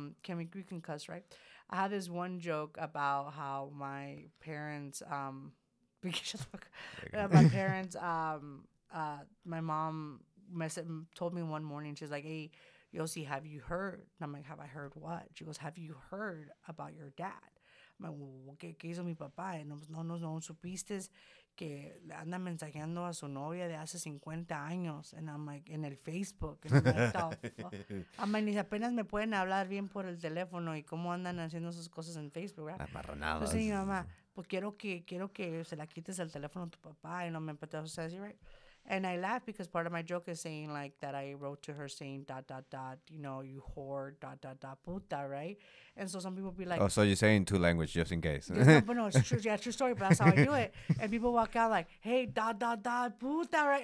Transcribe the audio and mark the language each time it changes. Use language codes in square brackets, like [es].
[en] We can cuss, right? I have this one joke about how my parents My parents, my mom told me one morning, she's like, hey, Yossi, have you heard? And I'm like, have I heard what? She goes, have you heard about your dad? I'm like, well, [es] ¿qué hizo mi papá? Y no supiste que le anda mensajeando a su novia de hace 50 años. [en] And I'm like, [es] en el Facebook. [en] And I'm like, I'm like, [es] apenas me pueden hablar bien por el teléfono y cómo andan haciendo esas cosas en Facebook. Amarronados. Sí, mi mamá, pues quiero que se la quites el teléfono a tu papá. Y no me empezó a decir, right? [en] And I laugh because part of my joke is saying, like, that I wrote to her saying, dot, dot, dot, you know, you whore, dot, dot, dot, puta, right? And so some people be like... Oh, so you're saying two languages just in case. No, it's true. Yeah, true story, but that's how I do it. And people walk out like, hey, dot, dot, dot, puta, right?